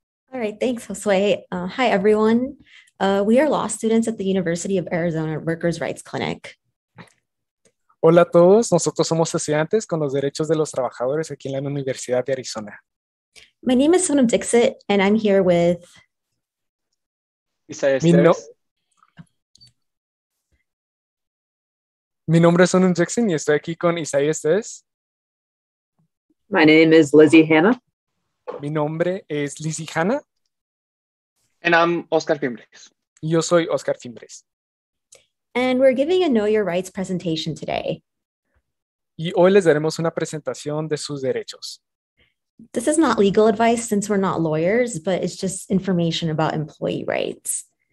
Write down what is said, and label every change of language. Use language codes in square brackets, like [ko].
[en] All right, thanks, Josue. Hi, everyone. We are law students at the University of Arizona Workers' Rights Clinic. [es] Hola a todos. Nosotros somos estudiantes con los derechos de los trabajadores aquí en la Universidad de Arizona. [en] My name is Sonam Dixit, and I'm here with... [es] Mi nombre es Sonam Jackson y estoy aquí con Isaías Tez. [en] My name is Lizzie Hanna. [es] Mi nombre es Lizzie Hanna. [en] And I'm Oscar Fimbres. [es] Yo soy Oscar Fimbres. [en] And we're giving a Know Your Rights presentation today. [es] Y hoy les daremos una presentación de sus derechos. [en] This is not legal advice since we're not lawyers, but it's just information about employee rights.